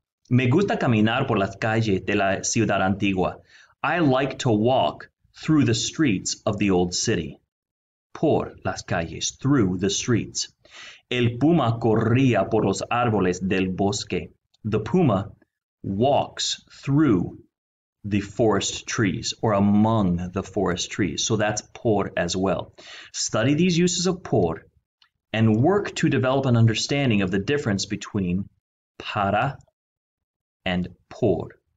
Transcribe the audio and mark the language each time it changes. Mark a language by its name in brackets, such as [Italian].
[Spanish] Me gusta caminar por las calles de la ciudad antigua. [English] I like to walk through the streets of the old city. [Spanish] Por las calles, [English] through the streets. [Spanish] El puma corría por los árboles del bosque. [English] The puma walks through the forest trees or among the forest trees. So that's por as well. Study these uses of por and work to develop an understanding of the difference between para and por.